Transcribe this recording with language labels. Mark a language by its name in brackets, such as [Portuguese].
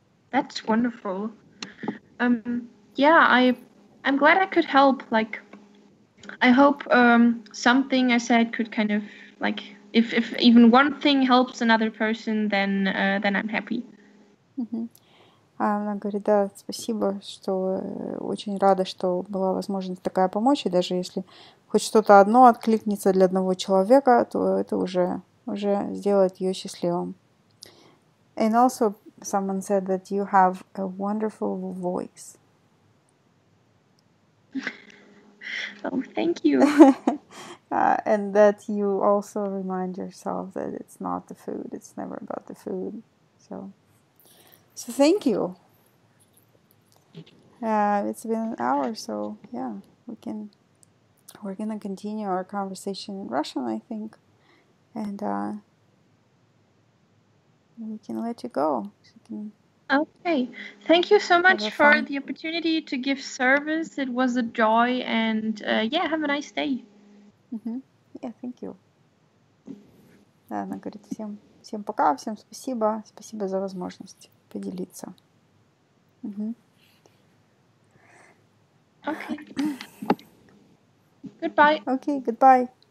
[English] That's wonderful. Yeah, I'm glad I could help. Like, I hope something I said could kind of, like, if even one thing helps another person, then I'm happy. [Russian] Она говорит, да, спасибо, что очень рада, что была возможность такая помочь, и даже если хоть что-то одно откликнется для одного человека, то это уже сделает ее счастливым. [English] And also someone said that you have a wonderful voice. Oh, thank you. And that you also remind yourself that it's not the food, it's never about the food. So thank you. It's been an hour, so yeah, we're gonna continue our conversation in Russian, I think, and we can let you go. So you can okay, thank you so much for the opportunity to give service. It was a joy, and yeah, have a nice day. Mm-hmm. Yeah, thank you. [Russian] Да, она говорит всем пока, всем спасибо за возможность поделиться. [English] Okay. Goodbye. Okay, goodbye.